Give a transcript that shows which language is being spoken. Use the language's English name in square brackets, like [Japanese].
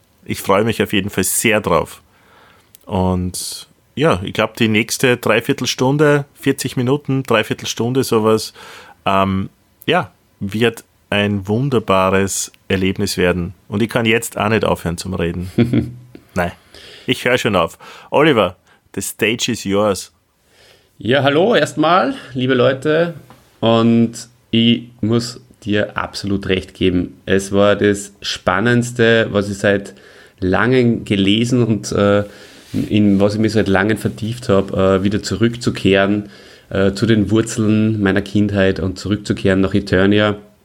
[German] Ich freue mich auf jeden Fall sehr drauf. Und ja, ich glaube, die nächste Dreiviertelstunde, 40 Minuten, Dreiviertelstunde, sowas, wird ein wunderbares Erlebnis werden. Und ich kann jetzt auch nicht aufhören zum Reden. Nein. Ich höre schon auf. [English] Oliver, the stage is yours. [German] Ja, hallo erstmal, liebe Leute. Und ich muss dir absolut recht geben. Es war das Spannendste, was ich seit Langem gelesen und in was ich mich seit Langem vertieft habe, wieder zurückzukehren zu den Wurzeln meiner Kindheit und zurückzukehren nach Eternia.